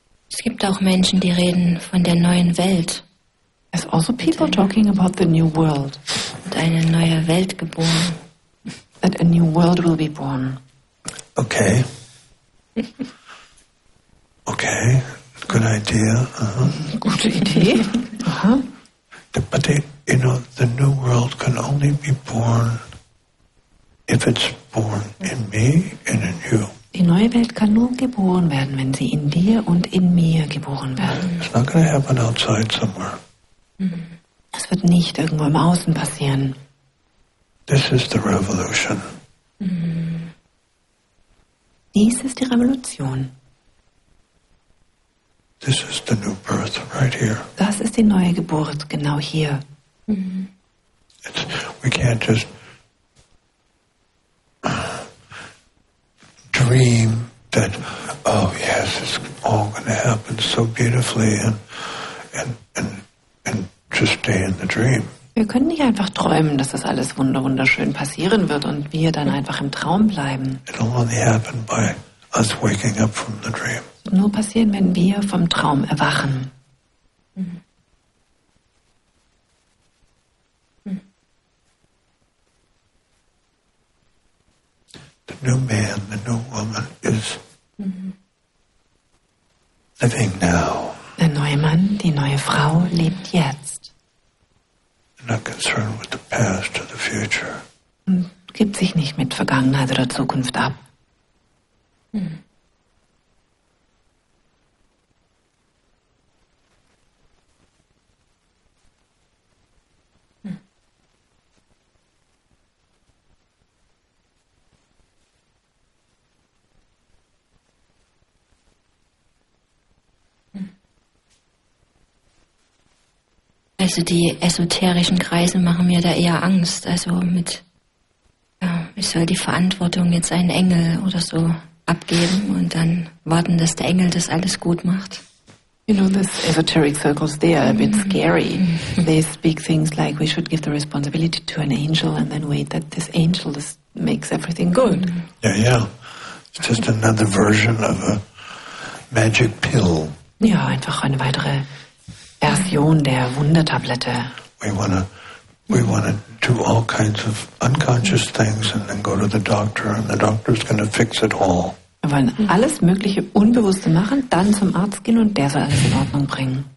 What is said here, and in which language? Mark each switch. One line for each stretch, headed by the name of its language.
German: Es gibt auch Menschen, die reden von der neuen Welt.
English: There's also people talking about the new world.
German: Und eine neue Welt geboren.
English: That a new world will be born. Okay. Okay. Good idea. Uh-huh.
German: Gute Idee. Uh-huh.
English: But the new world can only be born if it's born in me and in you.
German: Die neue Welt kann nur geboren werden, wenn sie in dir und in mir geboren werden.
English: It's not going to happen outside somewhere.
German: Es wird nicht irgendwo im Außen passieren.
English: This is the revolution.
German: Dies ist die Revolution.
English: This is the new birth right here.
German: Das ist die neue Geburt genau hier.
English: We can't just dream that, oh yes, it's all going to happen so beautifully and just stay in the dream.
German: Wir können nicht einfach träumen, dass das alles wunderschön passieren wird und wir dann einfach im Traum bleiben.
English: It'll only happen by us waking up from the dream.
German: Nur passieren, wenn wir vom Traum erwachen.
English: The new man, the new woman is living now.
German: Der neue Mann, die neue Frau lebt jetzt.
English: Not concerned with the past or the future.
German: Gibt sich nicht mit Vergangenheit oder Zukunft ab. Also die esoterischen Kreise machen mir da eher Angst. Also mit, ja, ich soll die Verantwortung jetzt einen Engel oder so abgeben und dann warten, dass der Engel das alles gut macht.
English: You know, these esoteric circles, they are a bit scary. They speak things like we should give the responsibility to an angel and then wait that this angel makes everything good. Yeah, yeah. It's just another version of a magic pill.
German: Ja, einfach eine weitere Erste. Vision der Wundertablette.
English: We want to do all kinds of unconscious things and then go to the doctor and the doctor's going to fix it all.
German: Wir wollen alles Mögliche Unbewusste machen, dann zum Arzt gehen und der soll alles in Ordnung bringen.